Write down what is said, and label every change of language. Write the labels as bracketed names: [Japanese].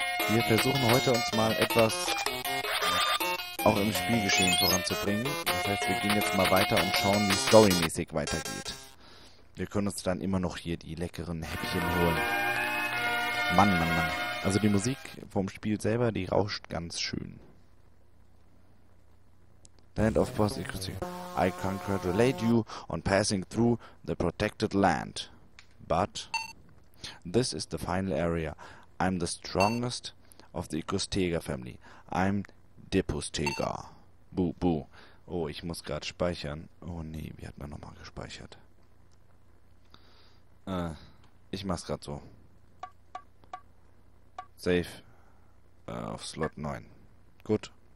[German] Wir versuchen heute uns mal etwas auch im Spielgeschehen voranzubringen. Das heißt, wir gehen jetzt mal weiter und schauen, wie es storymäßig weitergeht. Wir können uns dann immer noch hier die leckeren Häppchen holen. Mann, Mann, Mann. Also die Musik vom Spiel selber, die rauscht ganz schön. [English] Land of Boss, I congratulate you on passing through the protected land. But this is the final area. I'm the strongest of the Ikustega family. I'm Depustega. Buh, buh. [German] Oh, ich muss gerade speichern. Oh nee, wie hat man nochmal gespeichert? Ich mach's gerade so. Save. Auf Slot 9. Gut.